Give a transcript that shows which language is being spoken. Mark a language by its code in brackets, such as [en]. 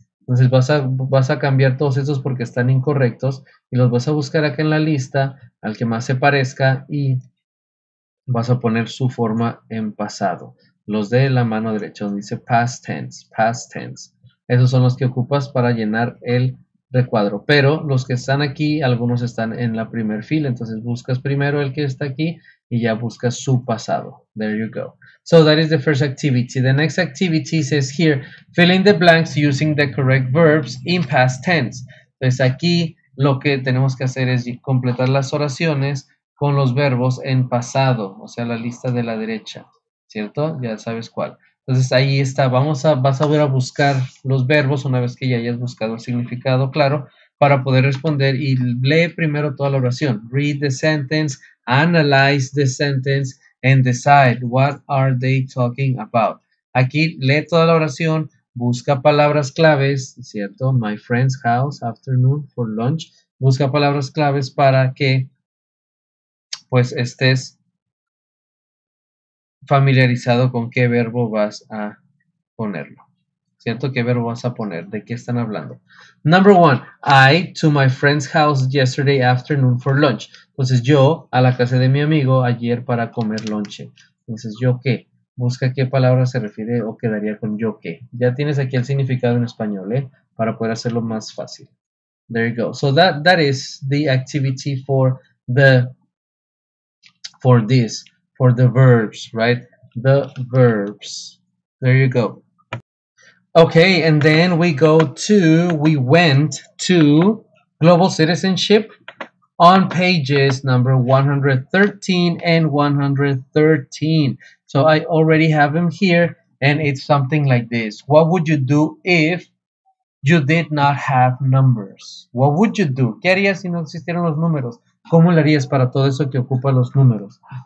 [es] Entonces vas a cambiar todos estos porque están incorrectos y los vas a buscar acá en la lista al que más se parezca y vas a poner su forma en pasado. Los de la mano derecha donde dice past tense. Esos son los que ocupas para llenar el recuadro. Pero los que están aquí, algunos están en la primer fila. Entonces buscas primero el que está aquí y ya buscas su pasado. [en] There you go. So that is the first activity. The next activity says here, fill in the blanks using the correct verbs in past tense. [es] Entonces aquí lo que tenemos que hacer es completar las oraciones con los verbos en pasado, o sea, la lista de la derecha, ¿cierto? Ya sabes cuál. Entonces ahí está, vas a volver a buscar los verbos una vez que ya hayas buscado el significado, claro, para poder responder y lee primero toda la oración. [en] Read the sentence, analyze the sentence, and decide what are they talking about. [es] Aquí lee toda la oración, busca palabras claves, ¿cierto? [en] My friend's house, afternoon, for lunch. [es] Busca palabras claves para que pues estés familiarizado con qué verbo vas a ponerlo, ¿cierto? ¿Qué verbo vas a poner? ¿De qué están hablando? [en] Number one, I to my friend's house yesterday afternoon for lunch. [es] Entonces yo a la casa de mi amigo ayer para comer lunch. Entonces yo qué, busca qué palabra se refiere o quedaría con yo qué. Ya tienes aquí el significado en español, ¿eh? Para poder hacerlo más fácil. [en] There you go. So that is the activity for the verbs, right? The verbs. There you go. Okay, and then we went to Global Citizenship on pages number 113 and 113. So I already have them here, and it's something like this. What would you do if you did not have numbers? What would you do? [es] ¿Qué harías si no existieran los números? ¿Cómo le harías para todo eso que ocupa los números?